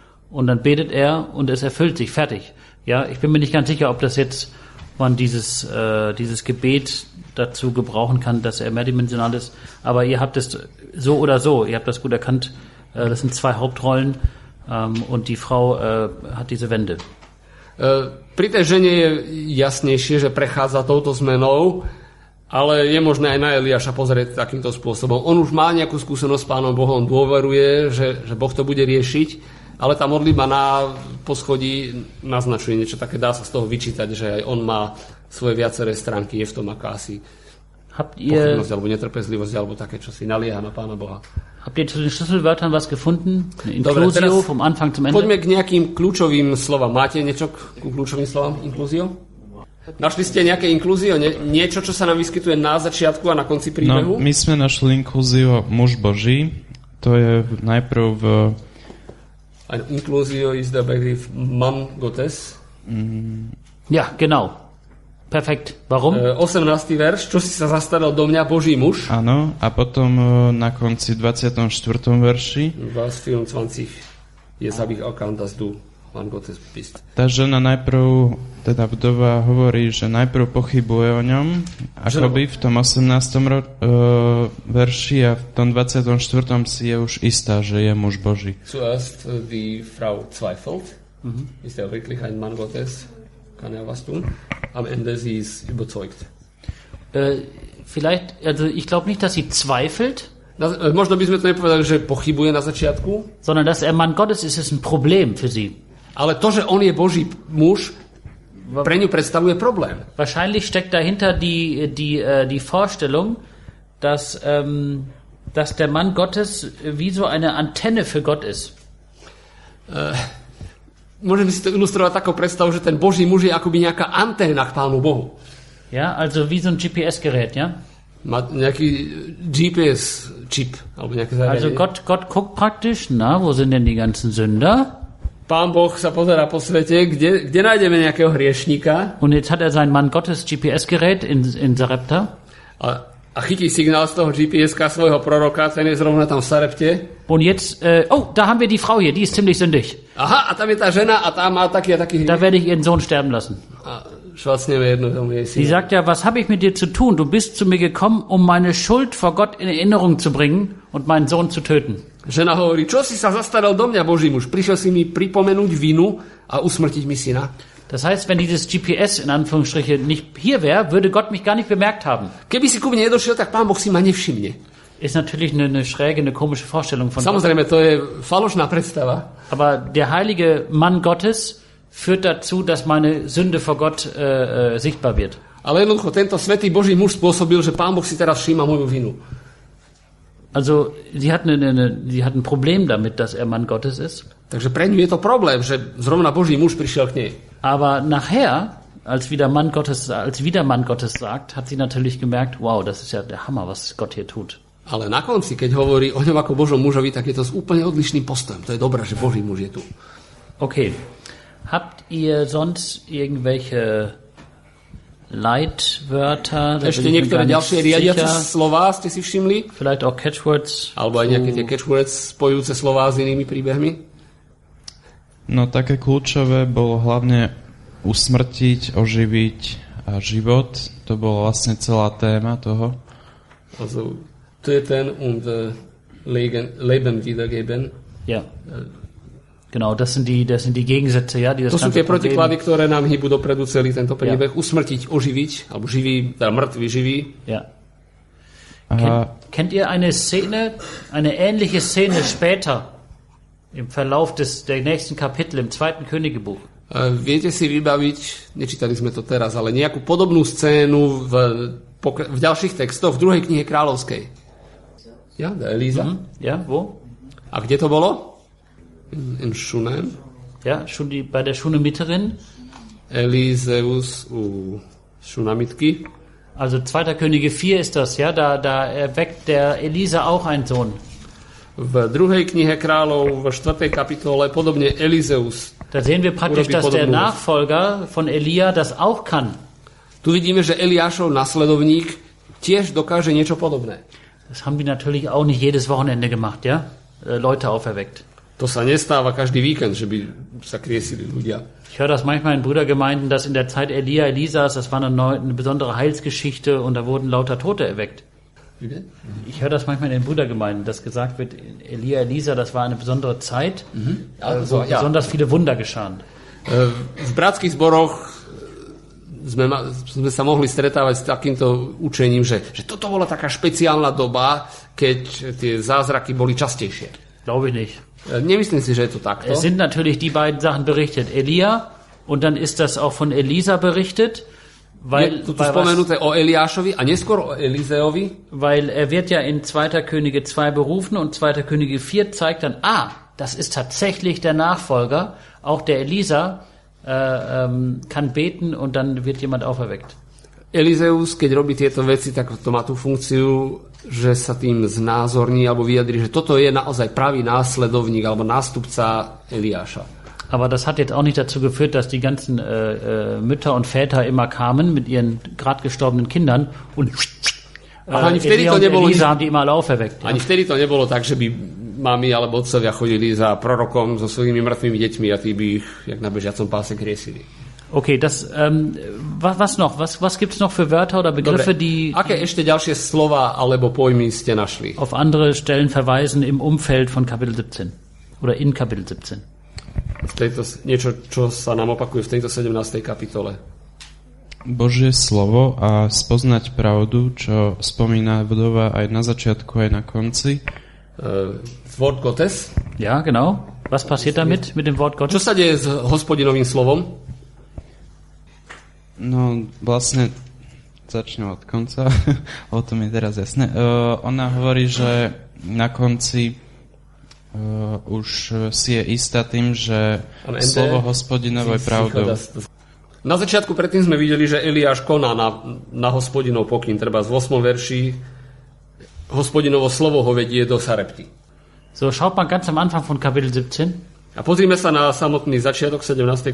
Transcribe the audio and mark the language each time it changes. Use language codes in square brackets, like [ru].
[de] Und dann betet er und es erfüllt sich, fertig. Ja, ich bin mir nicht ganz sicher, ob das jetzt man dieses Gebet dazu gebrauchen kann, dass er mehrdimensional ist. Aber ihr habt es so oder so, ihr habt das gut erkannt. Das sind zwei Hauptrollen und die Frau hat diese Wende. [sk] Pri tej žene je jasnejšie, že prechádza touto zmenou, ale je možné aj na Eliáša pozrieť takýmto spôsobom. On už má nejakú skúsenosť s Pánom Bohom, dôveruje, že Boh to bude riešiť, ale tá modlitba na poschodí naznačuje niečo také. Dá sa z toho vyčítať, že aj on má svoje viaceré stránky, je v tom akási pochybnosť alebo netrpezlivosť alebo také, čo si nalieha na Pána Boha. [de] Habt ihr zu den Schlüsselwörtern was gefunden? Inklusio, vom Anfang zum Ende? [sk] Poďme k nejakým kľúčovým slovám. Máte niečo k kľúčovým slovám? Inklusio? Našli ste nejaké inklusio? Niečo, čo sa nám vyskytuje na začiatku a na konci príbehu? No, my sme našli inklusio muž Boží. To je najprv v... [de] Ein inklusio ist der Begriff Mann Gottes. Ja, genau. Perfekt. Warum? [sk] 18. verš, čo si sa zastaral do mňa, Boží muž? Áno, a potom na konci 24. verši. [de] Was für 20 jetzt habe ich erkannt, dass du Mann Gottes bist. [sk] Tá žena najprv, teda vdova hovorí, že najprv pochybuje o ňom, akoby v tom 18. verši a v tom 24. si je už istá, že je muž Boží. [de] Zuerst die Frau zweifelt, ist er wirklich ein Mann Gottes? kann er was tun. Am Ende sie ist überzeugt. Vielleicht, also ich glaube nicht, dass sie zweifelt. [sk] Možno by sme to nepovedali, že pochybuje na začiatku. [de] Sondern dass er Mann Gottes ist, ist ein Problem für sie. [sk] Ale to, že on je Boží muž, pre ňu predstavuje problém. [de] Wahrscheinlich steckt dahinter die Vorstellung, dass dass der Mann Gottes wie so eine Antenne für Gott ist. [sk] Môžeme si to ilustrovať takou predstavou, že ten Boží muž je akoby nejaká anténa k Pánu Bohu. [de] Ja, also wie so ein GPS-Gerät, ja? [sk] Má nejaký GPS chip alebo nejaké zariadenie. [de] Also Gott guckt praktisch, na, wo sind denn die ganzen Sünder? [sk] Pán Boh sa pozerá po svete, kde nájdeme nejakého hriešníka? [de] Und jetzt hat sein Mann Gottes GPS-Gerät in Sarepta. [sk] A chytí signál z toho GPS-ka svojho proroka, ten je zrovna tam v Sarepte. [de] Und jetzt, da haben wir die Frau hier, die ist ziemlich sündig. [sk] Aha, a tam je tá žena a tá má taký a taký hriech. [de] Da werde ich ihren Sohn sterben lassen. Sie sagt ja, was habe ich mit dir zu tun? Du bist zu mir gekommen, um meine Schuld vor Gott in Erinnerung zu bringen und meinen Sohn zu töten. [sk] Žena hovorí, čo si sa zastaral do mňa, Boží muž? Prišiel si mi pripomenúť vinu a usmrtiť mi syna? [de] Das heißt, wenn dieses GPS in Anführungsstriche nicht hier wäre, würde Gott mich gar nicht bemerkt haben. [sk] Keby si ku mne nedošiel, tak Pán Boh si ma nevšimne. [de] Ist natürlich eine schräge, eine komische Vorstellung von [sk] Samozrejme, [de] Gott. [sk] Samozrejme, to je falošná predstava. [de] Aber der heilige Mann Gottes führt dazu, dass meine Sünde vor Gott sichtbar wird. [sk] Ale jednoducho, tento svätý Boží muž spôsobil, že Pán Boh si teraz všíma moju vinu. [de] Also, sie hat ein Problem damit, dass er Mann Gottes ist. [sk] Takže pre ňu je to problém, že zrovna Boží muž prišiel k nej. [de] Aber nachher, als wieder Mann Gottes sagt, hat sie natürlich gemerkt, wow, das ist ja der Hammer, was Gott hier tut. [sk] Ale na konci, keď hovorí o ňom ako Božom mužovi, tak je to s úplne odlišným postojem. To je dobré, že Boží muž je tu. Okay. [de] Habt ihr sonst irgendwelche Leitwörter? [sk] Ešte niektoré ďalšie riadiace slová ste si všimli? [de] Vielleicht auch catchwords. [sk] Alebo aj nejaké tie catchwords spojujúce slová s inými príbehmi? No také kľúčové bolo hlavne usmrtiť, oživiť a život. To bola vlastne celá téma toho. [de] Also, töten und leben wiedergeben. Ja. Genau, das sind die Gegensätze, ja, die das ganze. [sk] To sú tie protiklady, ktoré nám hýbu dopredu celý tento príbeh. [de] Ja. [sk] Usmrtiť, oživiť, alebo živý, teda mŕtvy, živý. [de] Ja. Kennt ihr eine ähnliche Szene später? Im Verlauf der nächsten Kapitel im zweiten Königebuch. [sk] Viete si vybaviť, nečítali sme to teraz, ale nejakú podobnú scénu v ďalších textoch, v druhej knihe kráľovskej. [de] Ja, da Eliza. Mm-hmm. Ja, wo? [sk] A kde to bolo? [de] In Shunem. Ja, schon die, bei der Shunemiterin. [sk] Eliseus u Shunamitki. [de] Also zweiter Könige 4 ist das, ja, da erweckt der Elisa auch einen Sohn. [sk] V druhej knihe kráľov v 4. kapitole podobne Eliseus. [de] Da sehen wir praktisch, dass der Nachfolger von Elia das auch kann. [sk] Tu vidíme, že Eliášov nasledovník tiež dokáže niečo podobné. [de] Das haben wir natürlich auch nicht jedes Wochenende gemacht, ja? Leute auferweckt. [sk] To sa nestáva každý víkend, že by sa kriesili ľudia. [de] Ich höre das manchmal in Brüdergemeinden, dass in der Zeit Elia, Elisas, das war eine besondere Heilsgeschichte und da wurden lauter Tote erweckt. Ich höre das manchmal in den Brüdergemeinden, dass gesagt wird, Elia, Elisa, das war eine besondere Zeit, also, wo besonders viele Wunder geschahen. [sk] V bratských zboroch sme sa mohli stretávať s takýmto učením, že toto bola taká špeciálna doba, keď tie zázraky boli častejšie. [de] Glaube ich nicht. [sk] Nemyslím si, že je to takto. [de] Es sind natürlich die beiden Sachen berichtet, Elia, und dann ist das auch von Elisa berichtet. Weil, [sk] je to spomenuté o Eliášovi a neskôr o Elizeovi. [de] Weil er wird ja in 2. Könige 2 berufen und 2. Könige 4 zeigt dann, das ist tatsächlich der Nachfolger. Auch der Elisa kann beten und dann wird jemand auferweckt. [sk] Elizeus, keď robí tieto veci, tak to má tú funkciu, že sa tým znázorní alebo vyjadrí, že toto je naozaj pravý následovník alebo nástupca Eliáša. [de] Aber das hat jetzt auch nicht dazu geführt, dass die ganzen Mütter und Väter immer kamen mit ihren gerade gestorbenen Kindern und Elisa haben die immer auferweckt. [sk] Ani vtedy to nebolo tak, že by mami alebo otcovia chodili za prorokom so svojimi mŕtvými deťmi a tí by ich jak na bežiacom páse kriesili. [de] Okay, das was noch? Was gibt's noch für Wörter oder Begriffe, [sk] Dobre. Aké ešte ďalšie slova alebo pojmy ste našli? [de] Auf andere Stellen verweisen im Umfeld von Kapitel 17 oder in Kapitel 17. [sk] v tejto, niečo, čo sa nám opakuje v tejto 17. kapitole. Božie slovo a spoznať pravdu, čo spomína vdova aj na začiatku, aj na konci. [de] Wort Gottes. Ja, genau. Was passiert damit, mit dem Wort Gottes? [sk] Čo sa deje s Hospodinovým slovom? No, vlastne začnem od konca. O tom je teraz jasné. Ona hovorí, že na konci už si je istá tým, že slovo Hospodinovo je pravdou. Na začiatku predtým sme videli, že Eliáš koná na Hospodinov pokyn, treba z 8. verši. Hospodinovo slovo ho vedie do Sarepty. [de] So schaut man ganz am Anfang von Kapitel 17. [sk] A pozrime sa na samotný začiatok 17.